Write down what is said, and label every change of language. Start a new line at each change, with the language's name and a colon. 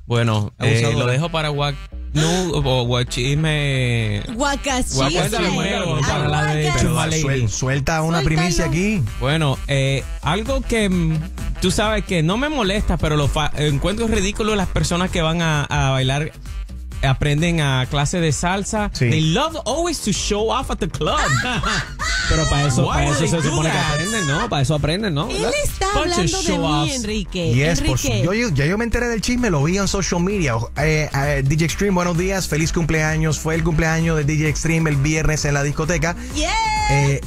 Spanish: Bueno, lo dejo para guachisme. Guacachisme. Suelta una Suéltalo. Primicia aquí. Bueno, algo que tú sabes que no me molesta, pero lo encuentro ridículo las personas que van a bailar. Aprenden a clase de salsa. Sí.
English: They love always to show off at the club.
Spanish: Pero para eso se supone que aprenden, ¿no? Para eso aprenden, ¿no? Él está Bunch hablando de mí, Enrique.
English: Yes,
Spanish: Enrique. Yo me enteré del chisme, lo vi en
English: social media.
Spanish: DJ Extreme, buenos días, feliz cumpleaños. Fue el cumpleaños de DJ Extreme el viernes en la discoteca.
English: Yeah.